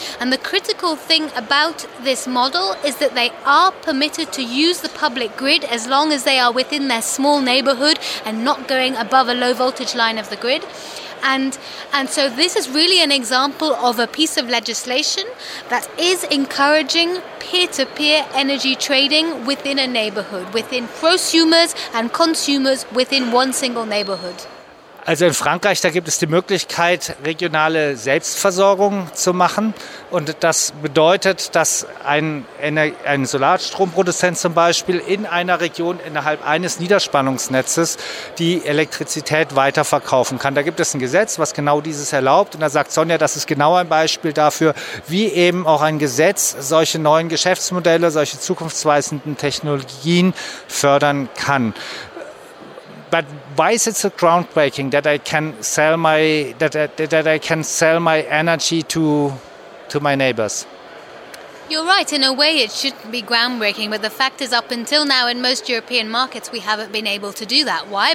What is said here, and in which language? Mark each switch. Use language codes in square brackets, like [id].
[en] And the critical thing about this model is that they are permitted to use the public grid as long as they are within their small neighborhood and not going above a low voltage line of the grid. And so this is really an example of a piece of legislation that is encouraging peer-to-peer energy trading within a neighborhood, within prosumers and consumers within one single neighborhood. [de] Also in Frankreich, da gibt es die Möglichkeit, regionale Selbstversorgung zu machen. Und das bedeutet, dass ein Solarstromproduzent zum Beispiel in einer Region innerhalb eines Niederspannungsnetzes die Elektrizität weiterverkaufen kann. Da gibt es ein Gesetz, was genau dieses erlaubt. Und da sagt Sonja, das ist genau ein Beispiel dafür, wie eben auch ein Gesetz solche neuen Geschäftsmodelle, solche zukunftsweisenden Technologien fördern kann. [en] But why is it so groundbreaking that I can sell my that I can sell my energy to my neighbors? You're right. In a way, it shouldn't be groundbreaking. But the fact is, up until now, in most European markets, we haven't been able to do that. Why?